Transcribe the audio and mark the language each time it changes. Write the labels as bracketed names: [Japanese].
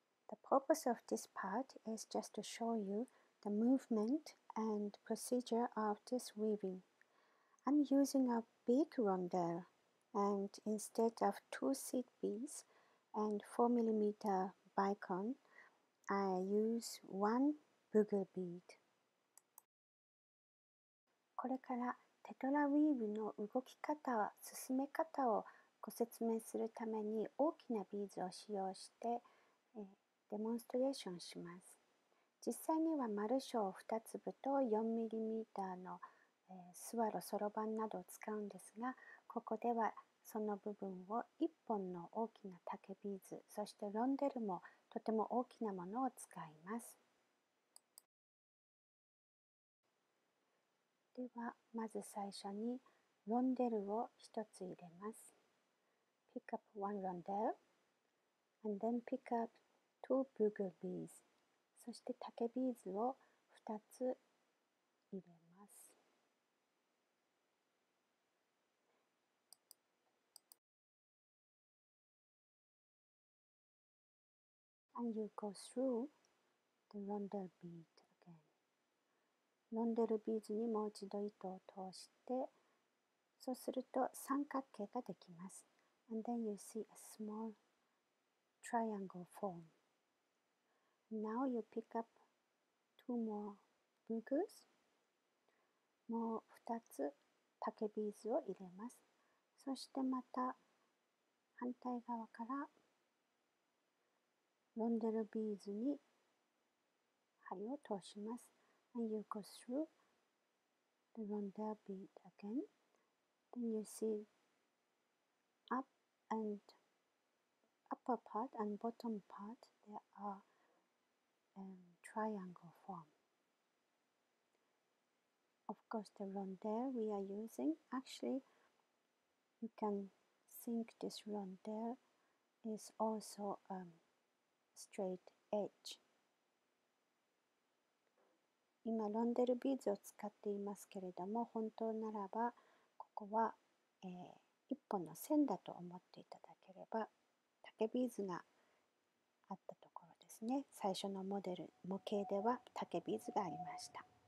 [English] The purpose of this part is just to show you the movementand procedure of this weaving. I'm using a big rondelle and instead of two seed beads and 4mm bicon, I use one bugle bead. [Japanese] これからテトラウィーブの動き方、進め方をご説明するために大きなビーズを使用してデモンストレーションします。実際には丸小2粒と 4mm のスワロ、ソロバンなどを使うんですが、ここではその部分を1本の大きな竹ビーズ、そしてロンデルもとても大きなものを使います。では、まず最初にロンデルを1つ入れます。 [English] Pick up one rondelle and then pick up two bugle beads. [Japanese] そして竹ビーズを2つ入れます。 [English] And you go through the rondelle bead again. [Japanese] ロンデルビーズにもう一度糸を通して、そうすると三角形ができます。 [English] And then you see a small triangle form. Now you pick up two more bugles. [Japanese] もう2つ竹ビーズを入れます。そしてまた反対側からロンデルビーズに針を通します。 [English] And you go through the rondelle bead again. Then you see upper part and bottom part. There areTriangle form. Of course, the rondelle we are using. Actually, you can think this rondelle is also a straight edge. [Japanese] 今、ロンデルビーズを使っていますけれども、本当ならば、ここは、一本の線だと思っていただければ、竹ビーズがあったところですね。最初のモデル、模型では竹ビーズがありました。